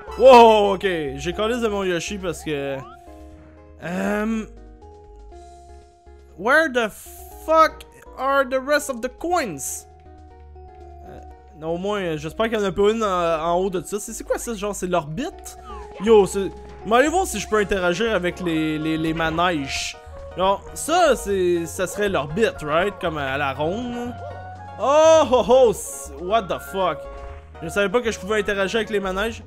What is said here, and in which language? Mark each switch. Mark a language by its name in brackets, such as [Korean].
[French] Wow, ok, j'ai collé de mon Yoshi parce que... [English] Where the fuck are the rest of the coins? [French] Au moins, j'espère qu'il y en a pas une en haut de ça. C'est quoi ça, genre, c'est l'orbite? Yo, c'est... Mais allez voir si je peux interagir avec les manèges. Genre, ça, c'est... Ça serait l'orbite, right? Comme à la ronde. [English] Oh, oh, oh, what the fuck? [French] Je savais pas que je pouvais interagir avec les manèges.